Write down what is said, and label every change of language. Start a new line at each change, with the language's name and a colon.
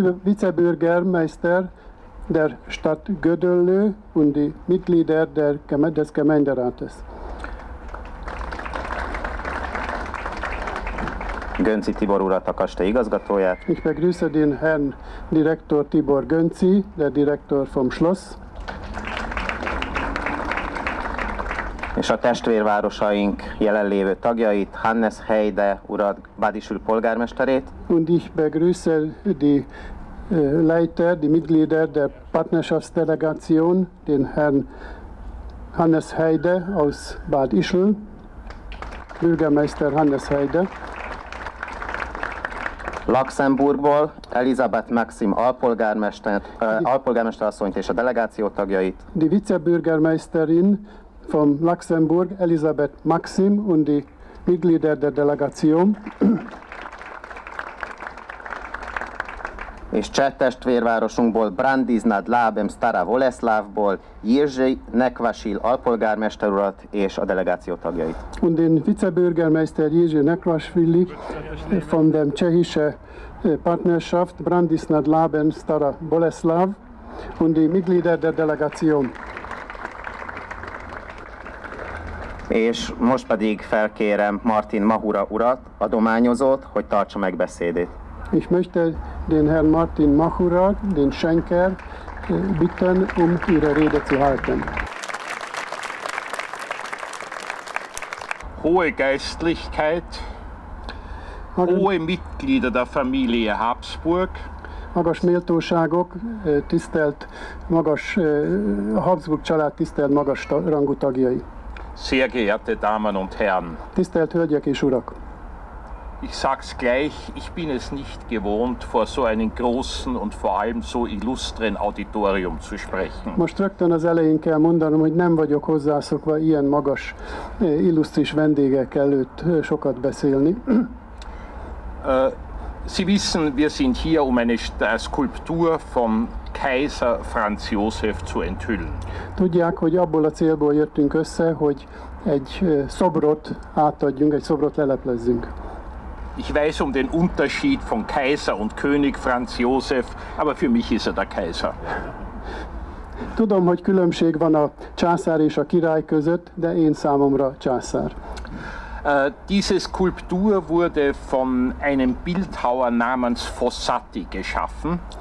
German: Die Vizebürgermeister der Stadt Gödöllő und die Mitglieder der des Gemeinderates.
Hungarian: Gönczi Tibor urat, a kastély igazgatóját.
German: Ich begrüße den Herrn Direktor Tibor Gönczi, der Direktor vom Schloss.
Hungarian: És a testvérvárosaink jelenlévő tagjait, Hannes Heide urat, Badischül polgármesterét.
German: Und ich begrüße die Leiter, die Mitglieder der Partnerschaftsdelegation, den Herrn Hannes Heide aus Bad Ischl, Bürgermeister Hannes Heide.
Hungarian: Luxemburgból Elisabeth Maxim alpolgármesterasszonyt és a delegáció tagjait.
German: Die Vizebürgermeisterin von Luxemburg, Elisabeth Maxim und die Mitglieder der Delegation.
Hungarian: És cseh testvérvárosunkból Brandiz nad Labem Stará Voleslávból Jiří Nekvasil alpolgármester urat és a delegáció tagjait.
German: Und den Vizebürgermeister Jiří Nekvasili von dem tschechische Partnerschaft Brandiz nad Labem Stará Voleslav und die Mitglieder der Delegation.
Hungarian: És most pedig felkérem Martin Mahura urat, adományozót, hogy tartsa meg beszédét.
German: Ich möchte den Herrn Martin Mahura, den Schenker, bitten, ihre Rede zu halten. Hohe Geistlichkeit, hohe Mitglieder der Familie Habsburg.
Hungarian: Magas méltóságok, tisztelt, magas Habsburg család, tisztelt, magas rangú tagjai.
German: Sehr geehrte Damen und Herren.
Hungarian: Tisztelt Hölgyek és Urak.
German: Ich sag's gleich, ich bin es nicht gewohnt, vor so einem großen und vor allem so illustren Auditorium zu sprechen.
Hungarian: Most rögtön az elején kell mondanom, hogy nem vagyok hozzászokva ilyen magas illusztris vendégek előtt sokat beszélni.
German: Sie wissen, wir sind hier, um eine Skulptur vom Kaiser Franz Josef zu enthüllen.
Hungarian: Tudják, hogy abból a célból jöttünk össze, hogy egy szobrot átadjunk, egy szobrot leleplezzünk.
German: Ich weiß um den Unterschied von Kaiser und König Franz Josef, aber für mich ist der Kaiser.
Hungarian: Tudom, hogy különbség van a császár és a király között, de én számomra császár.
German: Diese Skulptur wurde von einem Bildhauer namens Fossati geschaffen.